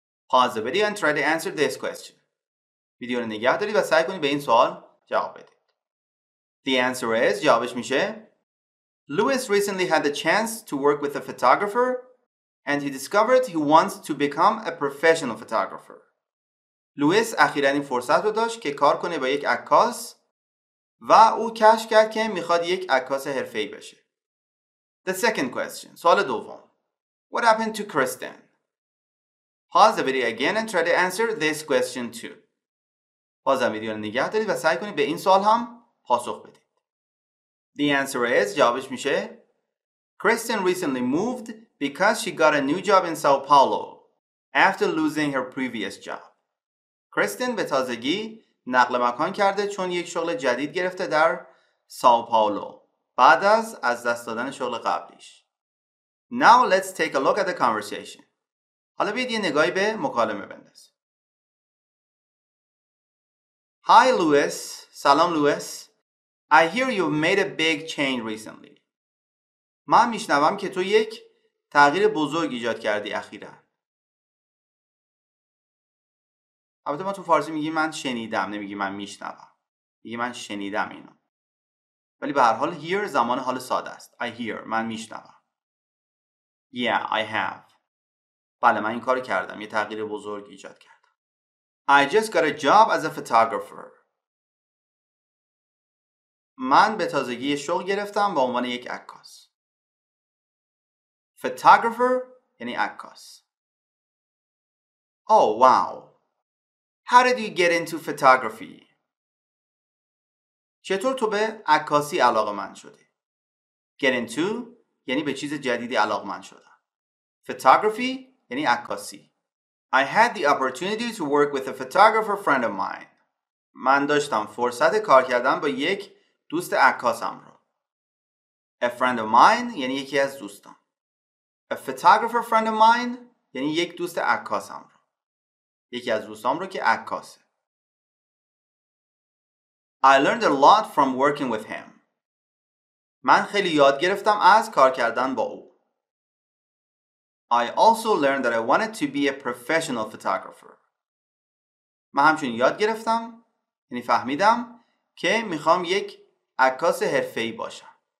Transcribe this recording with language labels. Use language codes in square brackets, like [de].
[en] Pause the video and try to answer this question. [fa] ویدیو رو نگه دارید و سعی کنید به این سوال جواب بدید. [en] The answer is, [fa] جوابش میشه [en] Louis recently had the chance to work with a photographer and he discovered he wants to become a professional photographer. [fa] Louis اخیراً این فرصت رو داشت که کار کنه با یک عکاس و او کشف کرد که میخواد یک عکاس حرفه‌ای بشه. [en] The second question. [fa] سوال دوم. [en] What happened to Kristen? Pause the video again and try to answer this question too. [fa] بازم ویدیو رو نگه دارید و سعی کنید به این سوال هم پاسخ بدید. [en] The answer is, [fa] جوابش میشه [en] Kristen recently moved because she got a new job in Sao Paulo after losing her previous job. [fa] Kristen به تازگی نقل مکان کرده چون یک شغل جدید گرفته در ساو پاولو بعد از دست دادن شغل قبلیش. [en] Now let's take a look at the conversation. [fa] حالا بیاید یه نگاهی به مکالمه بندازیم. [en] Hi Louis. [fa] سلام [en] Louis. I hear you've made a big change recently. [fa] من میشنوم که تو یک تغییر بزرگ ایجاد کردی اخیراً. البته ما تو فارسی میگیم من شنیدم، نمیگیم من میشنوم. میگیم من شنیدم اینو. ولی به هر حال hear زمان حال ساده است. [en] I hear، [fa] من میشنوم. [en] Yeah, I have. [fa] بله من این کارو کردم، یه تغییر بزرگ ایجاد کردم. [en] I just got a job as a photographer. [fa] من به تازگی یه شغل گرفتم با عنوان یک عکاس. [en] Photographer [fa] یعنی عکاس. [en] Oh, wow. How did you get into photography? [fa] چطور تو به عکاسی علاقه‌مند شدی؟ Get into یعنی به چیز جدیدی علاقه‌مند شدن. Photography یعنی عکاسی. [en] I had the opportunity to work with a photographer friend of mine. [fa] من داشتم فرصت کار کردن با یک دوست عکاسم رو. [en] A friend of mine [fa] یعنی یکی از دوستان. [en] A photographer friend of mine [fa] یعنی یک دوست عکاسم. یکی از دوستام رو که عکاسه. [en] I learned a lot from working with him. [fa] من خیلی یاد گرفتم از کار کردن با او. [en] I also learned that I wanted to be a professional photographer. [fa] من همچنین یاد گرفتم، یعنی فهمیدم که میخوام یک عکاس حرفه‌ای باشم.